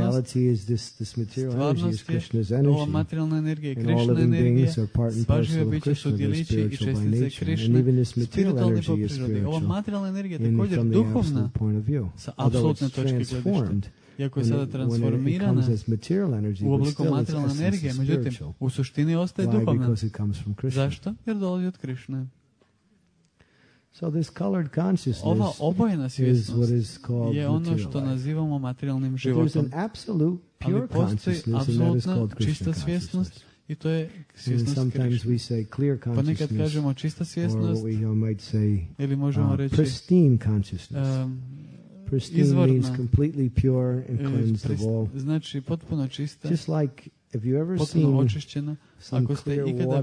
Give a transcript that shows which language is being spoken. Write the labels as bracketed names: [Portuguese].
[English] Reality is this material [Croatian] stvarnost [English] energy, is Krishna's energy. [Croatian] Ova materijalna energija je Krishna energija. Sva živa bića su djelići i čestice Krishne. [English] And even this material energy is spiritual. [Croatian] Ova materijalna energija također duhovna [English] point of view. [Croatian] Sa apsolutne točke gledišta. Iako je sada transformirana [English] energy, [Croatian] u obliku materijalne energije, međutim, u suštini ostaje duhovna. Zašto? Jer dolazi od Krishne. [English] So this colored consciousness is what is called [Croatian] je ono što nazivamo materijalnim životom. [English] There's an absolute pure consciousness and that is called Krishna consciousness. [Croatian] I to je svjesnost sometimes Krishna. [English] We say clear consciousness. [Croatian] Ponekad kažemo čista svjesnost. [English] Or we might say [Croatian] ili možemo reći [English] pristine consciousness. Pristine [Croatian] izvorna. [English] Means completely pure and cleansed of all. [Croatian] Znači potpuno čista. [English] Just like if you ever [Croatian] seen očišćena, ako ste ikada